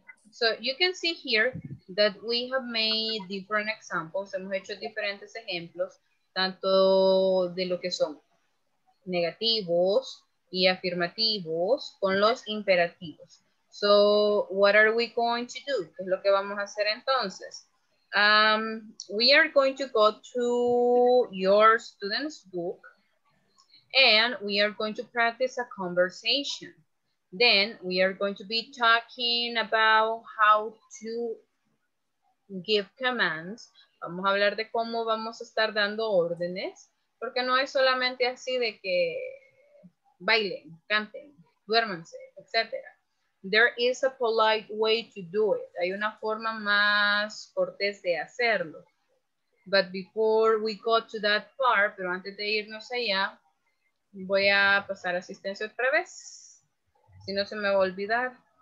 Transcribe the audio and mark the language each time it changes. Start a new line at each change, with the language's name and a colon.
English: So you can see here that we have made different examples.
Spanish: Hemos hecho diferentes ejemplos, tanto de lo que son negativos y afirmativos con los imperativos.
English: So, what are we going to do?
Spanish: ¿Qué es lo que vamos a hacer entonces?
English: We are going to go to your student's book and we are going to practice a conversation. Then we are going to be talking about how to give commands.
Spanish: Vamos a hablar de cómo vamos a estar dando órdenes, porque no es solamente así de que bailen, canten, duérmanse, etc.
English: There is a polite way to do it.
Spanish: Hay una forma más cortés de hacerlo.
English: But before we go to that part,
Spanish: pero antes de irnos allá, voy a pasar asistencia otra vez. Si no se me va a olvidar.